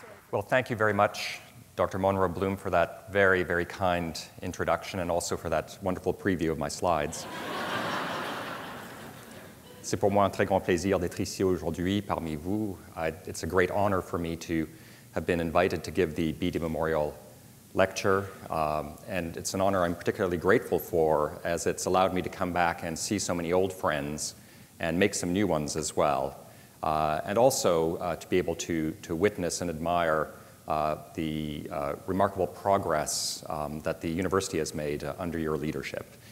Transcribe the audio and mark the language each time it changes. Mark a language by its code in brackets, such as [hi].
[en] Well, thank you very much, Dr. Monroe Bloom, for that very, very kind introduction and also for that wonderful preview of my slides. [fr] C'est pour moi un très grand plaisir d'être ici aujourd'hui parmi vous. [en] It's a great honor for me to have been invited to give the Beatty Memorial Lecture, and it's an honor I'm particularly grateful for, as it's allowed me to come back and see so many old friends and make some new ones as well, and also to be able to witness and admire the remarkable progress that the university has made under your leadership.